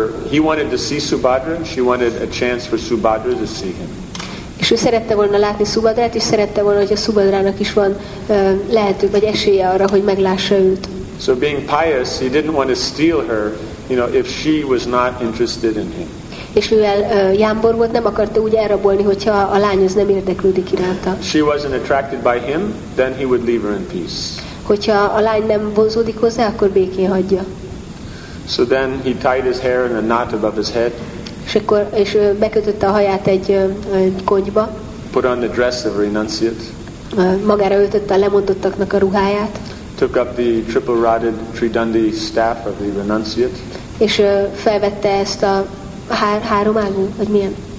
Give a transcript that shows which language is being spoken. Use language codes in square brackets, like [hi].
[en] He wanted to see Subhadra, and she wanted a chance for Subhadra to see him. [hu] És ő szerette volna látni Subhadrát, és szerette volna, hogy a Subhadrának is van lehetőség vagy esélye arra, hogy meglássa őt. [en] So being pious, he didn't want to steal her, you know, if she was not interested in him. [hu] És mivel jámbor volt, nem akarta úgy elrabolni, hogyha a lány az nem érdeklődik iránta. [en] She wasn't attracted by him, then he would leave her in peace. [hu] Hogyha a lány nem vonzódik hozzá, akkor békén hagyja. [en] So then he tied his hair in a knot above his head. [hu] És bekötötte a haját egy konyba. [en] Put on the dress of a renunciate. [hu] Magára öltötte a lemondottaknak a ruháját. [en] Took up the triple-rotted tridandi staff of the renunciate. [hu] És felvette ezt a háromágú, vagy milyen?